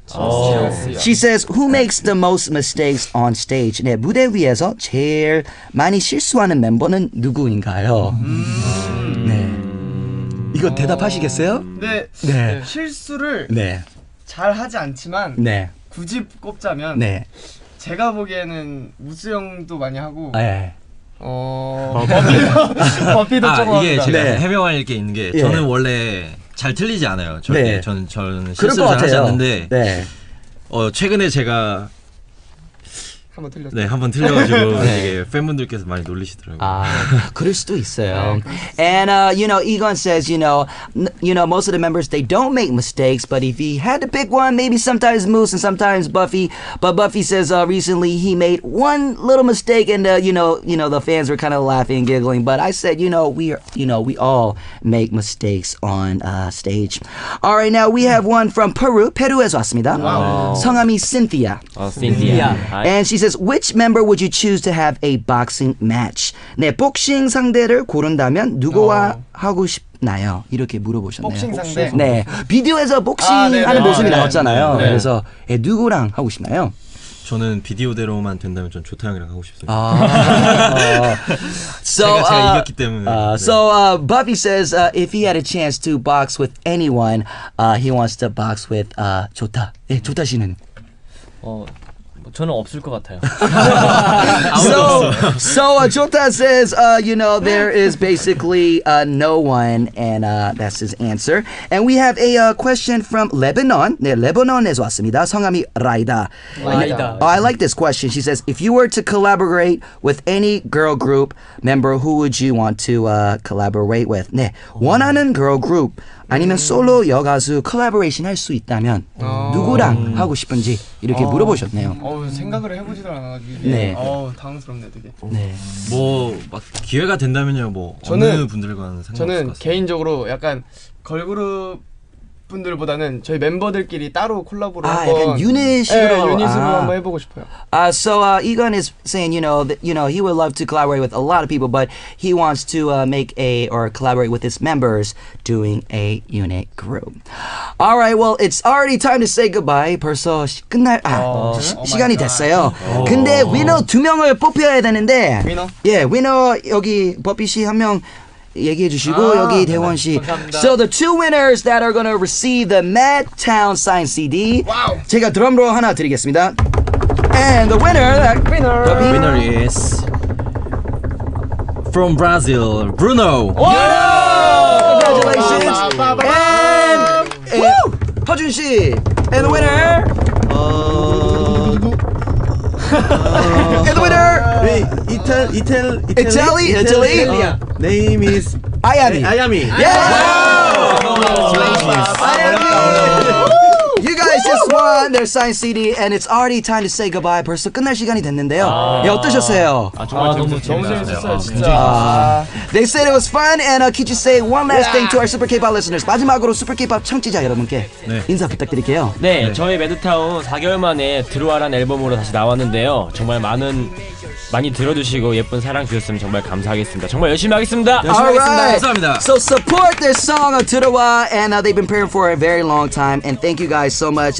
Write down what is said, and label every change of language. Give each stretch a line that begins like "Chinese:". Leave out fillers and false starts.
English: She says, who makes the most mistakes on stage?
Korean: 네, 무대 위에서 제일 많이 실수하는 멤버는 누구인가요? 이거 대답하시겠어요? 네, 네. 네 실수를 네. 잘 하지 않지만 네. 굳이 꼽자면 네. 제가 보기에는 우수 형도 많이 하고 아, 예. 버피도 조금 합니다 이게 제가 네. 해명할 게 있는 게 저는 예. 원래 잘 틀리지 않아요 절대 네. 저는 실수를 잘 하지 않는데 네. 최근에 제가 한번 틀렸 네, 한번 틀려가지고 네. 이게 팬분들께서 많이 놀리시더라고요. 아, 그럴 수도 있어요.
English: And you know, Egon says, you know, most of the members they don't make mistakes, but if he had to pick one, maybe sometimes Moose and sometimes Buffy. But Buffy says, recently he made one little mistake, and you know, the fans were kind of laughing and giggling. But I said, we all make mistakes on stage. All right, now we have one from Peru.
Korean: 페루에서 왔습니다. 성함이 Cynthia.
English: Cynthia. And she says, which member would you choose to have a boxing match?
Korean: 네, 복싱 상대를 고른다면 누구와 하고 싶나요? 이렇게 물어보셨네요. 복싱 상대. 네, 비디오에서 복싱하는 모습이 나왔잖아요. 네. 그래서 네, 누구랑 하고 싶나요? 저는 비디오대로만 된다면 전 조타 형이랑 하고 싶습니다. 제가 이겼기 때문에. 네.
English: Buffy says if he had a chance to box with anyone, he wants to box with 조타.
Korean: 네, 조타 씨는? 저는 없을 것 같아요.
English: So Jota says, you know, there is basically no one, and that's his answer. And we have a question from Lebanon.
Korean: 네, 레바논에서 왔습니다.
English: 성함이 Raida. I like this question. She says, if you were to collaborate with any girl group member, who would you want to collaborate with?
Korean: 네, 원하는 girl group 아니면 솔로 여가수 collaboration 할 수 있다면 누구랑 하고 싶은지 이렇게 물어보셨네요. 생각을 해보지도 않아가지고 네. 네. 어우 당황스럽네요 되게. 네. 뭐 막 기회가 된다면요 뭐 저는, 어느 분들과는 생각 저는 개인적으로 약간 걸그룹 분들보다는 저희 멤버들끼리 따로 콜라보를 아, 한번 약간 유닛으로 네, 유닛으로 아. 한번 해보고 싶어요.
English: So Egon is saying, you know, that, you know, he would love to collaborate with a lot of people, but he wants to make a or collaborate with his members doing a unit group. All right, well, it's already time to say goodbye.
Korean: 벌써 끝날 아, 어, 시간이 됐어요. 오. 근데 위너 두 명을 뽑혀야 되는데. 위너? 예, 위너 여기 버피 씨 한 명. 얘기해 주시고 아, 여기 대원 씨. 감사합니다.
English: So the two winners that are gonna receive the MADTOWN signed CD. Wow.
Korean: 제가 드럼으로 하나 드리겠습니다.
English: And the winner, the winner is from Brazil, Bruno. Wow! Congratulations. And 허준 씨. And the winner. And the winner. Italy. Name is Ayami. Yeah! You guys just won their signed CD and it's already time to say goodbye.
Korean: 벌써 끝날 시간이 됐는데요. 아, 예, 어떠셨어요? 아, 정말 너무 재밌었어요.
English: They said it was fun and could you say one last thing to our Super K-pop listeners?
Korean: 마지막으로 Super K-pop 청취자 여러분께 네. 인사 부탁드릴게요. 네, 네. 저희 MADTOWN 4개월 만에 드루아란 앨범으로 다시 나왔는데요. 정말 많은 많이 들어주시고 예쁜 사랑 주셨으면 정말 감사하겠습니다. 정말 열심히 하겠습니다. 열심히 All 하겠습니다. Right. 감사합니다.
English: So support this song of 드루아 and they've been praying for a very long time and thank you guys so much.